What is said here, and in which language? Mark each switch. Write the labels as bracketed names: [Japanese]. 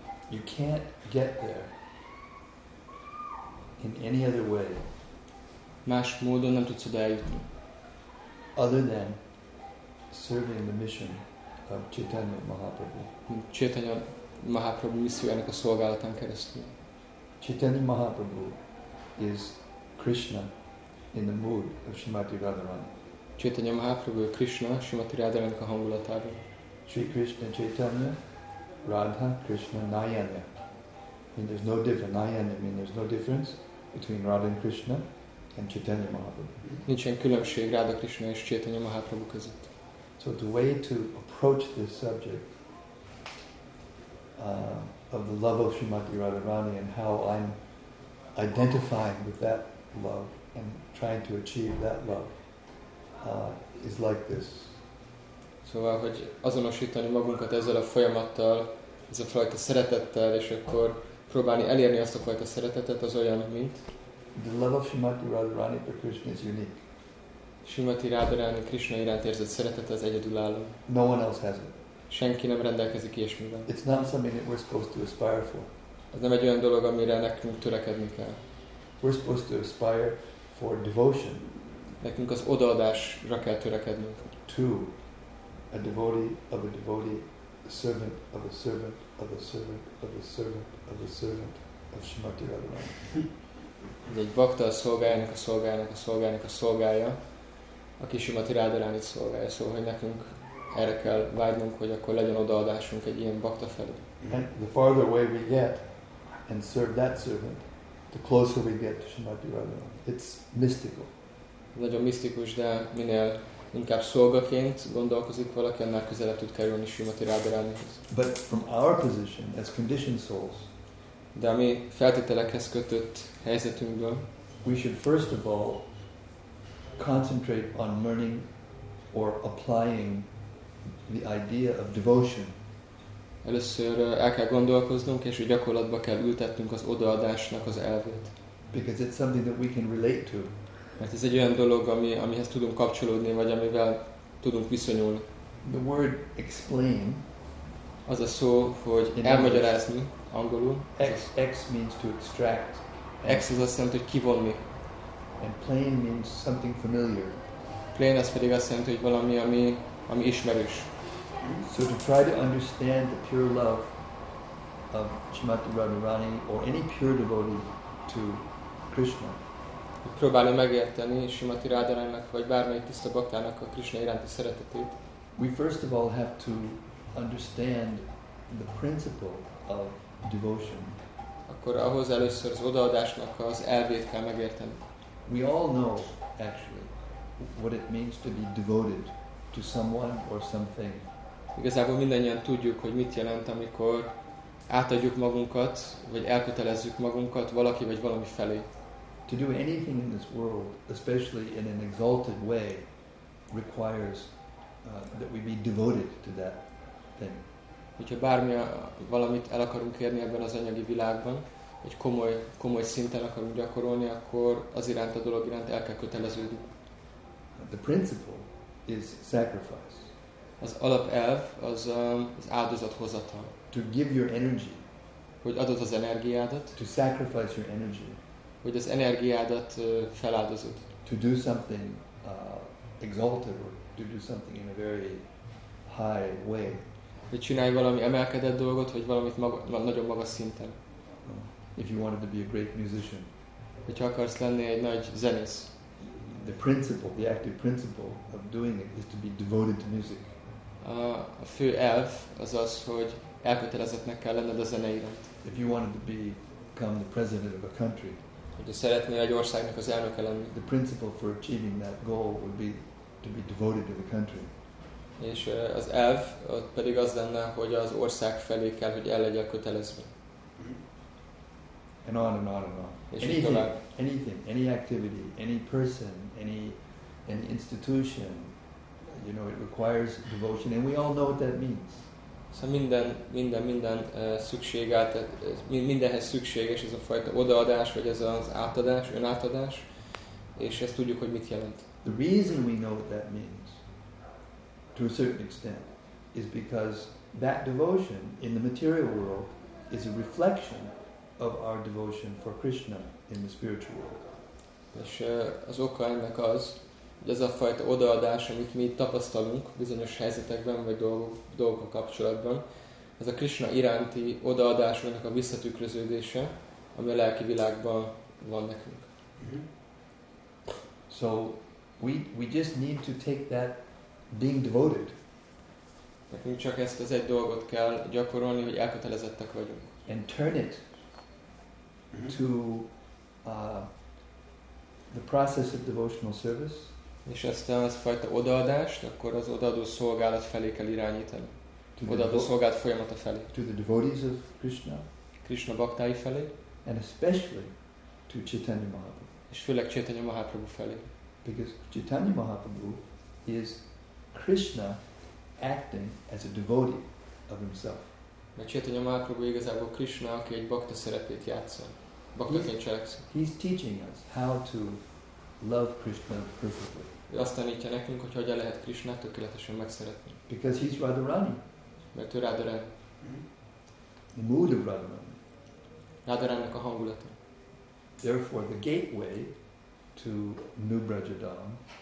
[English] You can't get there in any other way. [Hungarian] Más módon nem tudsz oda eljutni. [English] Other than serving the mission of Chaitanya Mahaprabhu. [Hungarian] Chaitanya Mahaprabhu missziójának a szolgálatán keresztül. [English] Chaitanya Mahaprabhu is Krishna in the mood of Srimati Radharani. [Hungarian] Chaitanya Mahaprabhu Krishna Srimati Radharani a hangulatában. [English] Sri Krishna Chaitanya Radha Krishna Nayana. I mean, there's no difference. Nayana means there's no difference between Radha and Krishna and Chaitanya Mahaprabhu. [Hungarian] Nincsen különbség Radha Krishna és Chaitanya Mahaprabhu között. [English] So the way to approach this subject of the love of Srimati Radharani and how I'm identifying with that love and trying to achieve that love is like this. [Hungarian] Szóval, hogy azonosítani magunkat ezzel a folyamattal, ez a fajta szeretettel, és akkor próbálni elérni azt a fajta szeretetet, az olyan, mint... [English] The love of Srimati Radharani for Krishna is unique. [Hungarian] Srimati Radharani Krishna iránt érzett szeretet az egyedülálló. [English] No one else has it. [Hungarian] Senki nem rendelkezik ilyesmivel. [English] It's not something that we're supposed to aspire for. [Hungarian] Ez nem egy olyan dolog, amire nekünk törekedni kell. [English] We're supposed to aspire for devotion. [Hungarian] Nekünk az odaadásra kell törekednünk. [English] To a devotee of a devotee, a servant of a servant of a servant of a servant of a servant of Srimati Radharani. [Hungarian] Ez egy bhakta a szolgájának, a szolgájának, a szolgájának a szolgája. Aki Srimati Radharani szolgálja, szóval, hogy nekünk erre kell vágynunk, hogy akkor legyen odaadásunk egy ilyen bhakta felé. [English] And the farther away we get and serve that servant, the closer we get to Srimati Radharani. It's mystical. [Hungarian] Nagyon misztikus, de minél inkább szolgaként gondolkozik valaki, annál közelebb tud kerülni Srimati Radharanihoz. [English] But from our position as conditioned souls, [Hungarian] de a mi feltételekhez kötött helyzetünkből, [English] we should first of all concentrate on learning or applying the idea of devotion. [Hungarian] Először el kell gondolkoznunk, és gyakorlatba kell ültetnünk az odaadásnak az elvét. [English] Because it's something that we can relate to. [Hungarian] Mert ez egy olyan dolog, amihez tudunk kapcsolódni, vagy amivel tudunk viszonyulni. [English] The word explain. [Hungarian] Az a szó, hogy elmagyarázni, angolul. [English] Ex means to extract. [Hungarian] Ex az azt jelenti, hogy kivonni. [English] And plain means something familiar. [Hungarian] Plain az pedig azt jelenti, hogy valami, ami ismerős. [English] So to try to understand the pure love of Srimati Radharani or any pure devotee to Krishna. [Hungarian] Próbálni megérteni Srimati Radharaninak vagy bármelyik tiszta baktának a Krishna iránti szeretetét. [English] We first of all have to understand the principle of devotion. [Hungarian] Akkor ahhoz először az odaadásnak az elvét kell megérteni. [English] We all know, actually, what it means to be devoted to someone or something. [Hungarian] Igazából mindannyian tudjuk, hogy mit jelent, amikor átadjuk magunkat, vagy elkötelezzük magunkat valaki vagy valami felé. [English] To do anything in this world, especially in an exalted way, requires that we be devoted to that thing. [Hungarian] Hogyha valamit el akarunk érni ebben az anyagi világban, egy komoly szinten akarunk gyakorolni, akkor az iránt a dolog iránt el kell köteleződni. [English] The principle is sacrifice. [Hungarian] Az alapelv az áldozathozatal. [English] To give your energy. [Hungarian] Hogy adod az energiádat. [English] To sacrifice your energy. [Hungarian] Hogy az energiádat feláldozod. [English] To do something exalted or to do something in a very high way. [Hungarian] Hogy csinálj valami emelkedett dolgot, vagy valamit nagyon magas szinten. [English] If you wanted to be a great musician, [Hungarian] hogyha akarsz lenni egy nagy zenész, [English] the principle, the active principle of doing it is to be devoted to music. [Hungarian] A fő elv az az, hogy elkötelezettnek kell lenned a zene iránt. [English] If you wanted to become the president of a country, [Hungarian] hogyha szeretnél egy országnak az elnöke lenni, [English] the principle for achieving that goal would be to be devoted to the country. [Hungarian] És az elv ott pedig az lenne, hogy az ország felé kell, hogy el legyél kötelezve. [English] And on and on and on. Anything, any activity, any person, any institution, you know, it requires devotion. And we all know what that means. [Hungarian] Szóval minden szükség át, mindenhez szükséges ez a fajta odaadás, vagy ez az átadás, önátadás, és ezt tudjuk, hogy mit jelent. [English] The reason we know what that means, to a certain extent, is because that devotion in the material world is a reflection of our devotion for Krishna in the spiritual world. [Hungarian] És az oka ennek az, hogy ez a fajta odaadás, amit mi tapasztalunk bizonyos helyzetekben, vagy dolgok kapcsolatban, ez a Krishna iránti odaadásunknak a visszatükröződése, ami a lelki világban van nekünk. [English] Mm-hmm. So, we just need to take that being devoted. [Hungarian] Nekünk csak ezt az egy dolgot kell gyakorolni, hogy elkötelezettek vagyunk. [English] And turn it to the process of devotional service. [Hungarian] És ezt a fajta odaadást, akkor az odaadó szolgálat felé kell irányítani. Odaadó szolgálat folyamata felé. [English] To the devotees of Krishna. [Hungarian] Krishna baktái felé. [English] And especially to Chaitanya Mahaprabhu. [Hungarian] És főleg Chaitanya Mahaprabhu felé. [English] Because Chaitanya Mahaprabhu is Krishna acting as a devotee of himself. [Hungarian] Mert Chaitanya Mahaprabhu igazából Krishna, aki egy bakta szerepét játssza. Baktaként cselekszik. [English] He's teaching us how to love Krishna perfectly. [Hungarian] Azt tanítja nekünk, hogy hogyan lehet Krishnát tökéletesen megszeretni. [English] Because he's Radharani. [Hungarian] Mert ő Radharani. [English] The mood of Radharani. [Hungarian] Radharani-nak a hangulata. [English] Therefore, the gateway to New Brajadam.